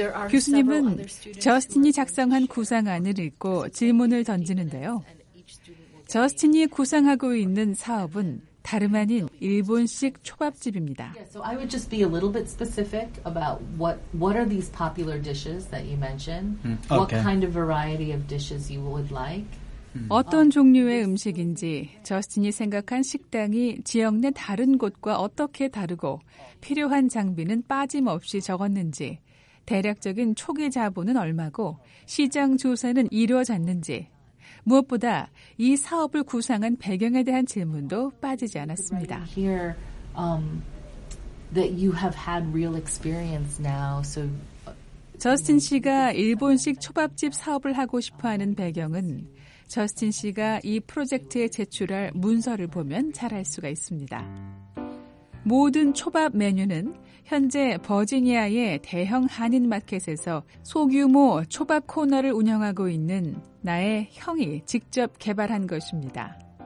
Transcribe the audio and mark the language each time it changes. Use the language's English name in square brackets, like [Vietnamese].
[Korean] 교수님은 저스틴이 작성한 구상안을 읽고 질문을 던지는데요. 저스틴이 구상하고 있는 사업은 다름 아닌 일본식 초밥집입니다. [English] So I would just be a little bit specific about what are these popular dishes that you mentioned? What kind of variety of dishes you would like? [Korean] 어떤 종류의 음식인지 저스틴이 생각한 식당이 지역 내 다른 곳과 어떻게 다르고 필요한 장비는 빠짐없이 적었는지 대략적인 초기 자본은 얼마고 시장 조사는 이루어졌는지 무엇보다 이 사업을 구상한 배경에 대한 질문도 빠지지 않았습니다. [English] Here, that you have had real experience now. So, [Korean] 저스틴 씨가 일본식 초밥집 사업을 하고 싶어하는 배경은 저스틴 씨가 이 프로젝트에 제출할 문서를 보면 잘 알 수가 있습니다. 모든 초밥 메뉴는 현재 버지니아의 대형 한인 마켓에서 소규모 초밥 코너를 운영하고 있는 나의 형이 직접 개발한 것입니다.